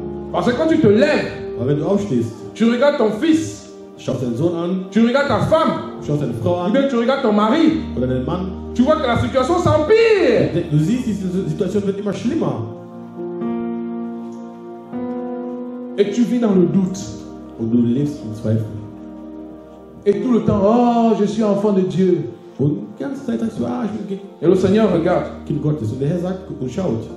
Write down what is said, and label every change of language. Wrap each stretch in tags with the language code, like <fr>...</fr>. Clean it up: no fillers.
<fr>Parce que quand tu te lèves,</fr> <de>wenn du aufstehst,</de> <fr>tu regardes ton fils,</fr> <de>schaust deinen Sohn an,</de> <fr>tu regardes ta femme,</fr> <de>schaust deine Frau an,</de> <fr>ou bien tu regardes ton mari,</fr> <de>oder deinen Mann,</de> <fr>tu vois que la situation s'empire.</fr> <de>Du siehst, die Situation wird immer schlimmer.</de> <fr>Et tu vis dans le doute.</fr> <de>Und du lebst im Zweifel.</de> <fr>Et tout le temps, oh, je suis enfant de Dieu.</fr> <de>Und die ganze Zeit sagst du, ah, ich bin Kind.</de> <fr>Et le Seigneur regarde.</fr> <de>Kind Gottes. Und der Herr sagt und schaut.</de>